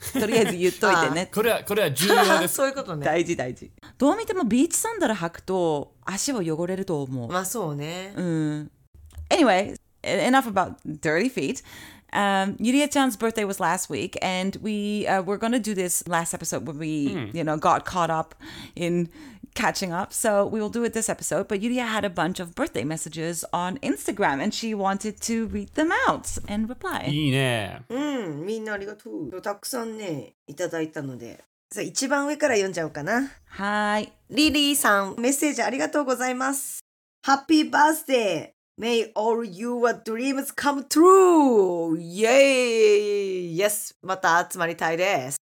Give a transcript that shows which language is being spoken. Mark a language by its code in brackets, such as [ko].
[ja] とりあえず言っといてね。これは重要です。そういうことね。大事大事。どう見てもビーチサンダル履くと足は汚れると思う。まあそうね。 [en] Anyway, enough about dirty feet. Yuria-chan's birthday was last week, and we were going to do this last episode when we, you know, got caught up in catching up. So we will do it this episode. But Yuria had a bunch of birthday messages on Instagram, and she wanted to read them out and reply. [ja] いいね。みんなありがとう。たくさんね、いただいたので。さあ、一番上から読んじゃおうかな。はい。リリーさん、メッセージありがとうございます。 [en] ハッピーバースデー。May all your dreams come true! Yay! Yes! [ja] また集まりたいです。